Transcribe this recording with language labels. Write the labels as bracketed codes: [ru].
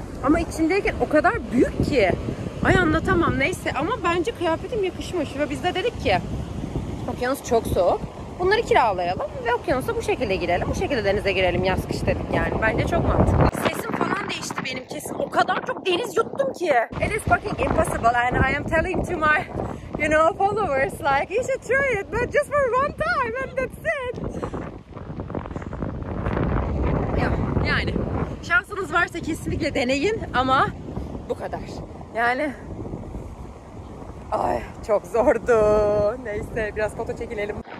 [tr] Ama içindeyken o kadar büyük ki. Ay anlatamam neyse. Ama bence kıyafetim yakışmış. Ve biz de dedik ki okyanus çok soğuk. Bunları kiralayalım ve okyanusa bu şekilde girelim. Bu şekilde denize girelim yaz kış dedik yani. Bence çok mantıklı. Sesim falan değişti benim kesin. O kadar çok deniz yuttum ki. [en] It is fucking impossible and I am telling to my, you know, followers like you should try it but just for one time and that's it. [tr] Yani şansınız varsa kesinlikle deneyin ama bu kadar. Yani ay çok zordu. Neyse biraz foto çekilelim.